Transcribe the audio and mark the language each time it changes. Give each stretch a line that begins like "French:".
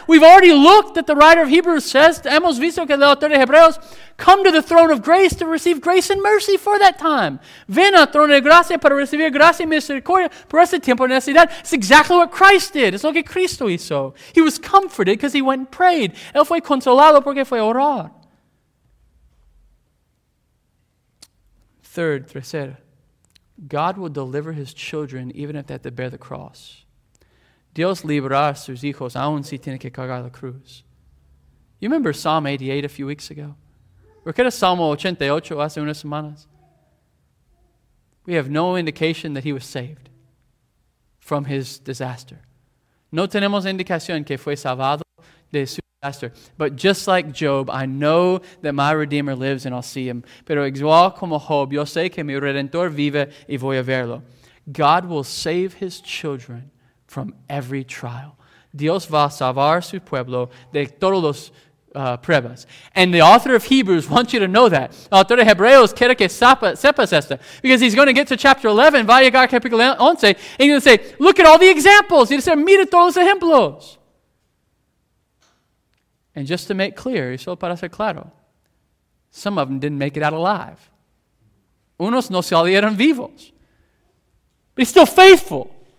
English: We've already looked at the writer of Hebrews says,
Spanish: hemos visto que el autor de Hebreos,
English: come to the throne of grace to receive grace and mercy for that time.
Spanish: Ven al trono de gracia para recibir gracia y misericordia por ese tiempo de necesidad.
English: It's exactly what Christ did.
Spanish: Es lo que Cristo hizo.
English: He was comforted because he went and prayed.
Spanish: Él fue consolado porque fue a orar.
English: Third, tercera, God will deliver his children even if they have to bear the cross.
Spanish: Dios librará sus hijos aun si tiene que cargar la cruz.
English: You remember Psalm 88 a few weeks ago?
Spanish: Recuerda Salmo 88 hace unas semanas?
English: We have no indication that he was saved from his disaster.
Spanish: No tenemos indicación que fue salvado de su disaster.
English: But just like Job, I know that my Redeemer lives and I'll see him.
Spanish: Pero igual como Job, yo sé que mi Redentor vive y voy a verlo.
English: God will save his children from every trial.
Spanish: Dios va a salvar su pueblo de todos los pruebas.
English: And the author of Hebrews wants you to know that.
Spanish: El autor de Hebreos quiere que sepas esto.
English: Because he's going to get to chapter 11,
Spanish: va a llegar a capítulo 11,
English: and he's going to say, look at all the examples. He's going to say,
Spanish: mira todos los ejemplos.
English: And just to make clear,
Spanish: y solo para ser claro,
English: some of them didn't make it out alive.
Spanish: Unos no salieron vivos.
English: But he's still faithful.